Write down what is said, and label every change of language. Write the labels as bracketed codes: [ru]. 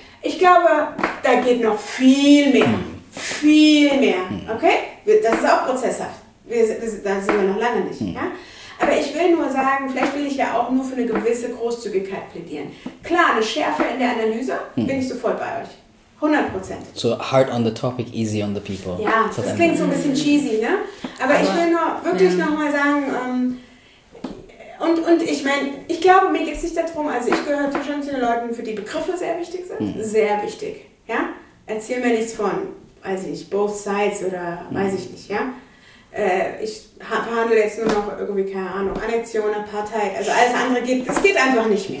[de] Ich glaube, da geht noch viel mehr. Viel mehr. Okay? Das ist auch prozesshaft. Da sind wir noch lange nicht. Ja? Aber ich will nur sagen, vielleicht will ich ja auch nur für eine gewisse Großzügigkeit plädieren. Klar, eine Schärfe in der Analyse, bin ich sofort bei euch. 100%. [en] So hard on the topic, easy on the people. [de] Ja, das klingt so ein bisschen cheesy, ne? Aber ich will nur wirklich nochmal sagen, und ich meine, ich glaube, mir geht es nicht darum, also ich gehöre zu den Leuten, für die Begriffe sehr wichtig sind. Sehr wichtig, ja? Erzähl mir nichts von weiß ich nicht, [en] both sides [de] oder weiß ich nicht, ja. Ich verhandle jetzt nur noch irgendwie, keine Ahnung, Annexion, Apartheid, also alles andere geht, es geht einfach nicht mehr.